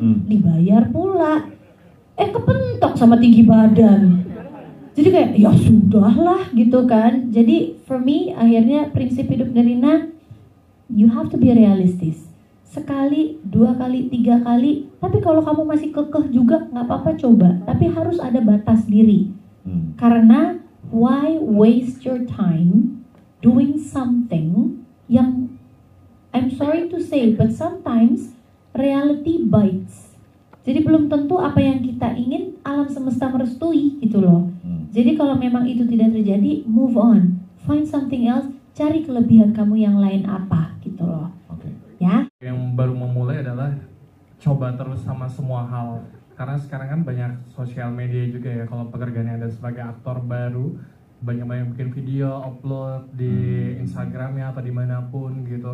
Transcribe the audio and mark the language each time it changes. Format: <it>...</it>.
<id>Dibayar pula kepentok sama tinggi badan. Jadi kayak, ya sudahlah gitu kan. Jadi</id> <en>for me,</en> <id>akhirnya prinsip hidup Nerina,</id> <en>you have to be realistic.</en> <id>Sekali, dua kali, tiga kali. Tapi kalau kamu masih kekeh juga, gak apa-apa coba. Tapi harus ada batas diri. Karena,</id> <en>why waste your time doing something</en> <id>yang,</id> <en>I'm sorry to say, but sometimes reality bites.</en> <id>Jadi belum tentu apa yang kita ingin alam semesta merestui gitu loh. Jadi kalau memang itu tidak terjadi,</id> <en>move on, find something else,</en> <id>cari kelebihan kamu yang lain apa gitu loh. Okay. Ya. Yang baru memulai adalah coba terus sama semua hal. Karena sekarang kan banyak sosial media juga ya. Kalau pekerjaannya ada sebagai aktor baru, banyak bikin video upload di Instagramnya atau dimanapun gitu.</id>